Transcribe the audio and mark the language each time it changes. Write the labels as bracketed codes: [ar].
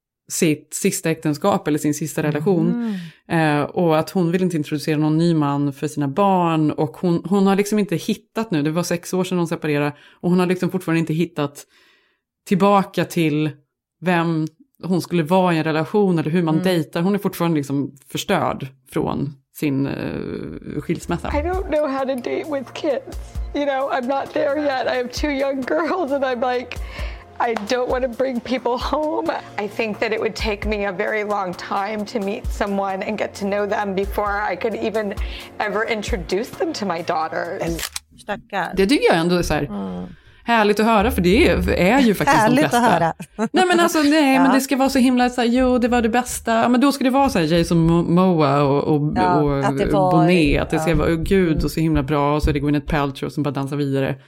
[sv] sitt sista äktenskap eller sin sista relation. Och att hon vill inte introducera någon ny man för sina barn. Och hon har liksom inte hittat nu. Det var 6 år sedan hon separerade. Och hon har liksom fortfarande inte hittat tillbaka till vem hon skulle vara i en relation. Eller hur man dejtar. Hon är fortfarande liksom förstörd från sin skilsmässa. [en] I don't know how to date with kids. You know, I'm not there yet. I have 2 young girls and I'm like... I don't want to bring people home. I think that it would take me a very long time to meet someone and get to know them before I could even ever introduce them to my daughters. [sv] Stackars. Det tycker jag ändå så här. Härligt att höra, för det är ju faktiskt härligt de bästa. Att höra. Nej, men alltså, nej, ja. Men det ska vara så himla så här, jo, det var det bästa. Ja, men då ska det vara så här, Jason Momoa och Bonet. Att det ska vara, oh, gud, och så himla bra. Och så är det Gwyneth Paltrow som bara dansar vidare.